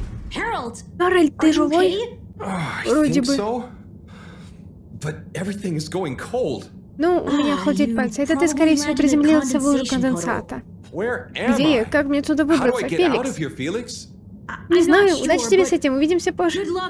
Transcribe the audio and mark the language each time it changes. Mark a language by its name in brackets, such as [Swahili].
[Russian] Geralt! Geralt, ты живой? Вроде бы. [English] But everything is going cold. [Russian] Ну, у меня холодит пальцы. Это ты, скорее всего, приземлился в лужу конденсата. Где я? Как мне отсюда выбраться? Феликс? Не знаю, удачи тебе с этим, увидимся позже.